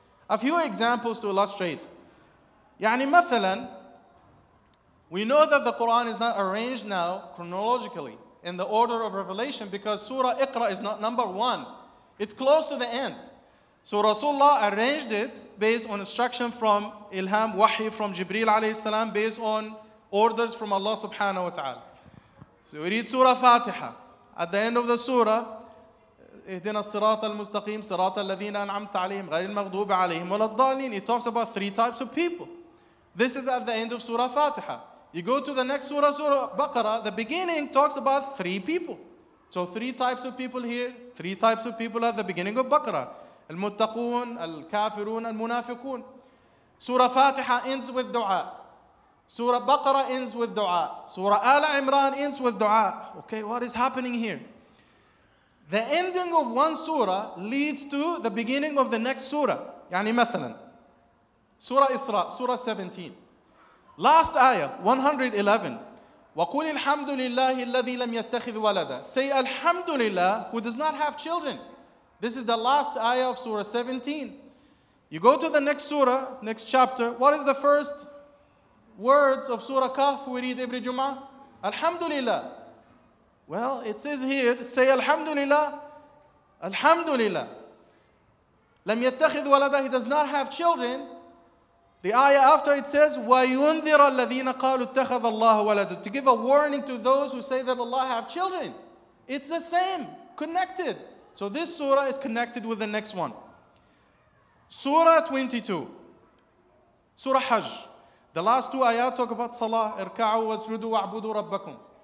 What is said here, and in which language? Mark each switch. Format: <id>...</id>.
<en>A few examples to illustrate.</en> <ar>يعني مثلا,</ar> <en>we know that the Quran is not arranged now chronologically in the order of revelation because Surah Iqra is not number one. It's close to the end. So Rasulullah arranged it based on instruction from Ilham Wahi from Jibreel alayhi salam, based on orders from Allah subhanahu wa ta'ala. So we read Surah Fatiha. At the end of the Surah,</en> <ar>اهدنا الصراط المستقيم صراط الذين أنعمت عليهم غير المغضوب عليهم ولا الضالين.</ar> <en>It talks about three types of people. This is at the end of Surah Fatiha. You go to the next Surah, Surah Baqarah, the beginning talks about three people. So three types of people here, three types of people at the beginning of Baqarah.</en> <ar>المتقون الكافرون المنافقون.</ar> <en>Surah Fatiha ends with dua. Surah Baqarah ends with dua. Surah Al Imran ends with dua. Okay, what is happening here? The ending of one surah leads to the beginning of the next surah.</en> <ar>يعني مثلا</ar> <en>Surah Isra, Surah 17. Last ayah, 111.</en> <ar>وَقُلِ الْحَمْدُ لِلَّهِ الَّذِي لَمْ يَتَّخِذْ وَلَدًا.</ar> <en>Say Alhamdulillah, who does not have children. This is the last ayah of Surah 17. You go to the next surah, next chapter. What is the first words of Surah Kahf we read every Jummah? Alhamdulillah. Well, it says here, say Alhamdulillah. Alhamdulillah.</en> <ar>لَمْ يَتَّخِذْ وَلَدًا.</ar> <en>He does not have children. The ayah after it says,</en> <ar>وَيُنذِرَ الَّذِينَ قَالُوا اتَّخَذَ اللَّهُ وَلَدًا.</ar> <en>To give a warning to those who say that Allah have children. It's the same, connected. So this surah is connected with the next one. Surah 22. Surah Hajj. The last two ayat talk about salah.</en> <ar>Irka'u wasjudu wa'budu rabbakum.</ar>